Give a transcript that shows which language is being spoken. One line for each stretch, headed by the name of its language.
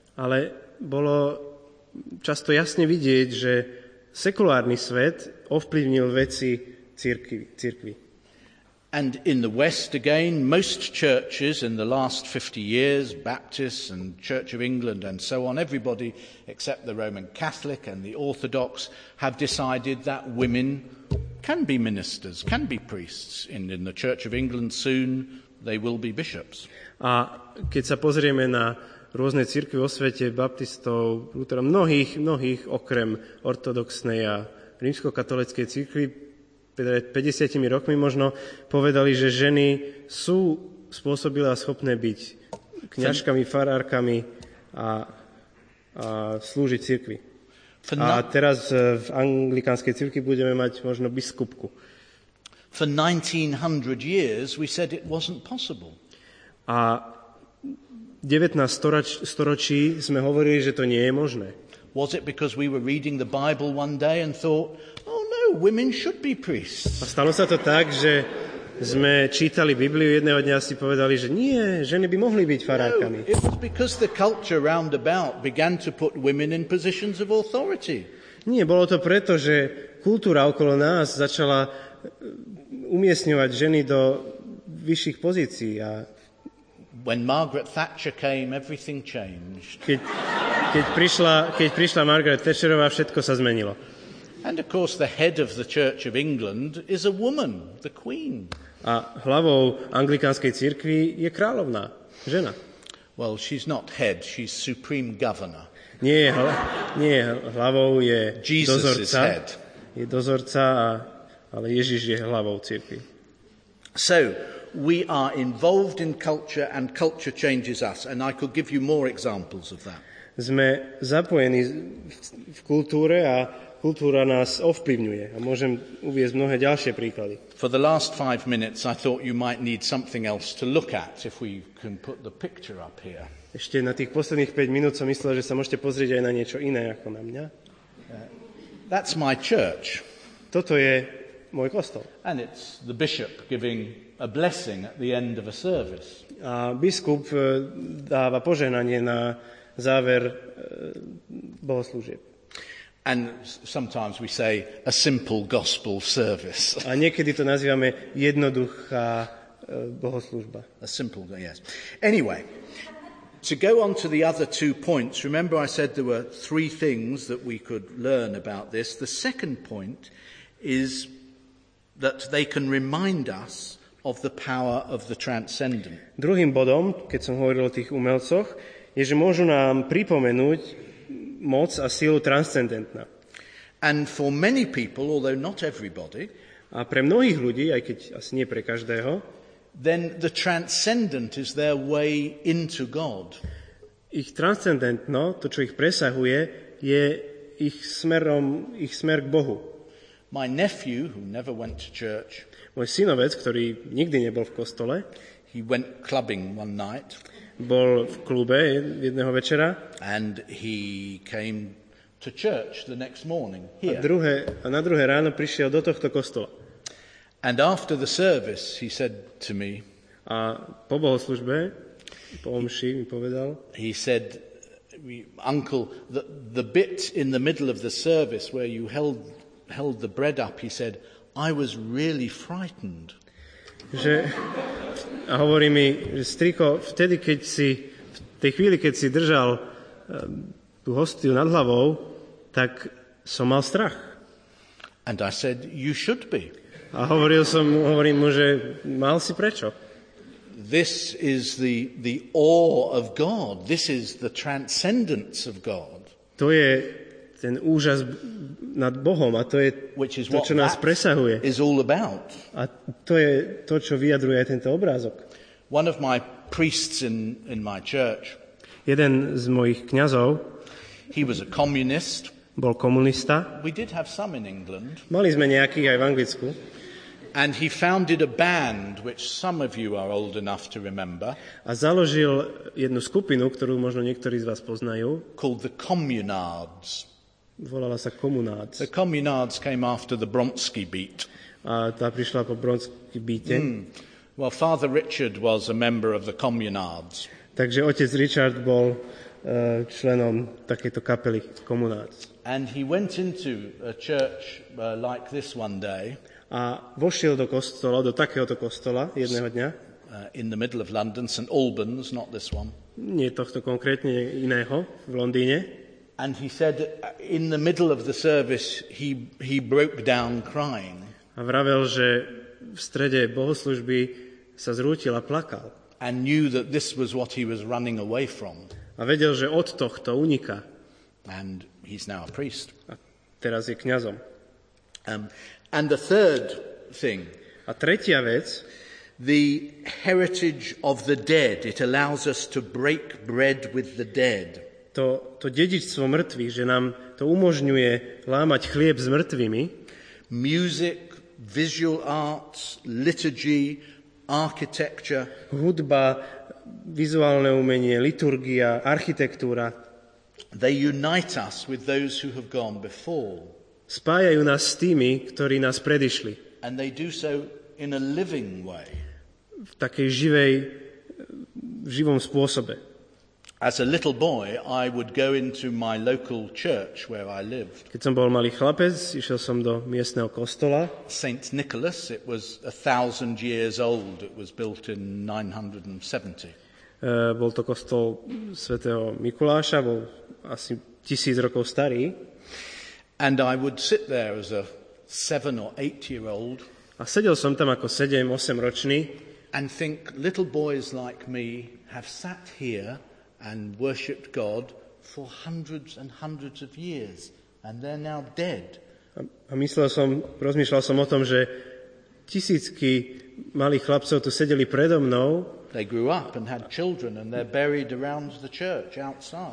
Slovak: Ale bolo často jasne vidieť, že sekulárny svet ovplyvnil veci cirkvi.
English: And in the West again, most churches in the last 50 years, Baptists and Church of England and so on, everybody except the Roman Catholic and the Orthodox have decided that women can be ministers, can be priests. And in the Church of England soon, they will be bishops.
Slovak: A keď sa pozrieme na rôzne cirkvi vo svete, baptistov, lutherov, mnohých, mnohých okrem ortodoxnej a rímskokatolíckej cirkvi, pred 50 rokmi možno povedali, že ženy sú spôsobilé a schopné byť kňažkami, farárkami a slúžiť cirkvi. A teraz v anglikánskej cirkvi budeme mať možno biskupku.
English: For 1900 years we said it wasn't possible.
Slovak: A 19 storočí sme hovorili, že to nie je možné.
English: Was it because we were reading the Bible one day and thought, women should be priests.
Slovak: A stalo sa to tak, že sme čítali Bibliu, jedného dňa si povedali, že nie, ženy by mohli byť farárkami.
English: No, it was because the culture round about began to put women in positions of authority.
Slovak: Nie, bolo to preto, že kultúra okolo nás začala umiestňovať ženy do vyšších pozícií a
English: when Margaret Thatcher came, everything changed.
Slovak: Keď prišla Margaret Thatcherová, všetko sa zmenilo.
English: And of course the head of the Church of England is a woman, the queen.
Slovak: A hlavou anglikánskej cirkvi je kráľovná, žena.
English: Well, she's not head, she's supreme governor.
Slovak: Nie, hlavou je
English: Jesus
Slovak: dozorca.
English: Is head.
Slovak: Je dozorca, ale Ježiš je hlavou cirkvi.
English: So, we are involved in culture and culture changes us, and I could give you more examples of that.
Slovak: Sme zapojení v kultúre a kultúra nás ovplyvňuje a môžem uviesť mnohé ďalšie príklady.
English: For the last 5 minutes I thought you might need something else to look at if we can put the picture up here.
Slovak: Ešte na tých posledných 5 minút som myslel, že sa môžete pozrieť aj na niečo iné ako na mňa.
English: That's my church.
Slovak: Toto je môj kostol.
English: And it's the bishop giving a blessing at the end of a service.
Slovak: A biskup dáva požehnanie na záver bohoslúžieb.
English: And sometimes we say a simple gospel service.
Slovak: A niekedy to nazývame jednoduchá bohoslužba.
English: A simple, yes. Anyway, to go on to the other two points, remember I said there were three things that we could learn about this. The second point is that they can remind us of the power of the transcendent.
Slovak: Druhým bodom, keď som hovoril o tých umelcoch, je, že môžu nám pripomenúť moc a silu transcendentná.
English: And for many people, although not everybody,
Slovak: a pre mnohých ľudí, aj keď asi nie pre každého,
English: then the transcendent is their way into God.
Slovak: Ich transcendentno, to čo ich presahuje, je ich smer k Bohu.
English: My nephew, who never went to church,
Slovak: môj synovec, ktorý nikdy nebol v kostole,
English: he went clubbing one night.
Slovak: Bol v klube jedného večera.
English: And he came to church the next morning. Here.
Slovak: A na druhé ráno prišiel do tohto kostola.
English: And after the service he said to me.
Slovak: A po bohoslužbe, po omši mi povedal.
English: He said, "Uncle, the bit in the middle of the service where you held the bread up," he said, "I was really frightened."
Slovak: Že a hovorí mi, že striko, vtedy keď si v tej chvíli keď si držal tú hostiu nad hlavou, tak som mal strach.
English: And I said, "You should be."
Slovak: A hovorím mu, že mal si prečo.
English: This is the awe of God. This is the transcendence of God.
Slovak: To je ten úžas nad Bohom a to je to, čo nás presahuje.
English: Is all about.
Slovak: A to je to, čo vyjadruje aj tento obrázok.
English: One of my priests in my church.
Slovak: Jeden z mojich kňazov.
English: He was a communist.
Slovak: Bol komunista.
English: We did have some in England.
Slovak: Mali sme nejakých aj v Anglicku.
English: And he founded a band which some of you are old enough to remember.
Slovak: A založil jednu skupinu, ktorú možno niektorí z vás poznajú.
English: Called the Communards.
Slovak: Volala sa Communards.
English: The Communards came after the Bronsky beat.
Slovak: A tá prišla po Bronsky beate.
English: Well, Father Richard was a member of the Communards.
Slovak: Takže otec Richard bol členom takejto kapely Communards.
English: And he went into a church like this one day.
Slovak: A vošiel do kostola, do takéhoto kostola jedného dňa.
English: In the middle of London, St. Albans, not this one.
Slovak: Nie tohto konkrétne, iného, v Londýne.
English: And he said in the middle of the service he broke down crying.
Slovak: A vravel, že v strede bohoslužby sa zrútil a plakal.
English: And knew that this was what he was running away from.
Slovak: A vedel, že od tohto uniká.
English: And he's now a priest.
Slovak: A teraz je kňazom.
English: And the third thing.
Slovak: A tretia vec.
English: The heritage of the dead. It allows us to break bread with the dead.
Slovak: To dedičstvo mŕtvych, že nám to umožňuje lámať chlieb s mŕtvymi.
English: Music, visual arts, liturgy, architecture.
Slovak: Hudba, vizuálne umenie, liturgia, architektúra.
English: They unite us with those who have gone before.
Slovak: Spájajú nás s tými, ktorí nás predišli.
English: And they do so in a living way.
Slovak: V takej živej, v živom spôsobe.
English: As a little boy, I would go into my local church where I lived.
Slovak: Keď som bol malý chlapec, išiel som do miestneho kostola.
English: St. Nicholas, it was 1,000 years old. It was built in 970.
Slovak: Bol to kostol svätého Mikuláša, bol asi 1000 rokov starý.
English: And I would sit there as a 7 or 8 year old.
Slovak: A sedel som tam ako 7, 8 ročný.
English: And think little boys like me have sat here and worshiped God for hundreds and hundreds of years and they're now dead.
Slovak: A myslel som, rozmýšľal som o tom, že tisícky malých chlapcov tu sedeli predo mnou.
English: They grew up and had children and they're buried around the church outside.